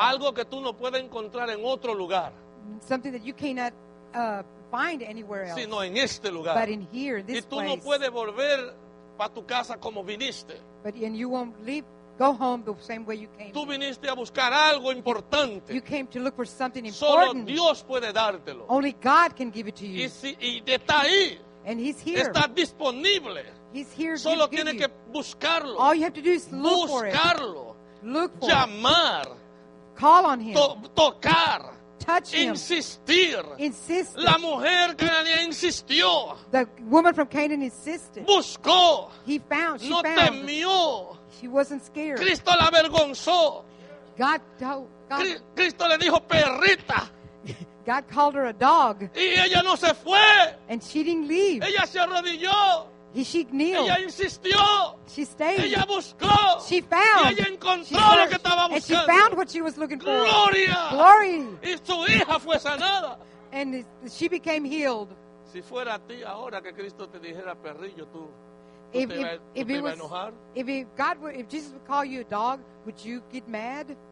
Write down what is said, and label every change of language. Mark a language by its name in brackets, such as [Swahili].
[Spanish] Algo que tú no puedes encontrar en otro lugar. [English] Something that you cannot find anywhere else. [Spanish] Sino en este lugar. [English] But in here, in this place. [Spanish] Y tú no puedes volver para tu casa como viniste. [English] But and you won't leave, go home the same way you came. [Spanish] Tú viniste a buscar algo importante. [English] You came to look for something important. [Spanish] Solo Dios puede dártelo. [English] Only God can give it to you. [Spanish] Y si, y está ahí. [English] And he's here. [Spanish] Está disponible. [English] He's here. [Spanish] Solo tiene que buscarlo. [English] All you have to do is look for it. [Spanish] Buscarlo. [English] Look for [Spanish] Llamar. [English] Call on him. [Spanish] Tocar. [English] Touch him. [Spanish] Insistir. [English] Insist. [Spanish] La mujer cananea insistió. [English] The woman from Canaan insisted. [Spanish] Buscó. [English] He found. She no found. [Spanish] Temió. [English] She wasn't scared. [Spanish] Cristo la avergonzó. [English] God told. God. [Spanish] Cristo le dijo perrita. [English] God called her a dog. [Spanish] Y ella no se fue. [English] And she didn't leave. [Spanish] Ella se arrodilló. [English] She kneeled. [Spanish] Ella insistió. [English] She stayed. [Spanish] Ella buscó. [English] She found. [Spanish] Y ella encontró lo que estaba buscando. [English] And she found what she was looking for. [Spanish] Gloria. [English] Glory. [Spanish] Y su hija fue sanada. [English] And she became healed. [Spanish] Si fuera a ti ahora que Cristo te dijera perrillo, tú te ibas a enojar. [English] If Jesus would call you a dog, would you get mad?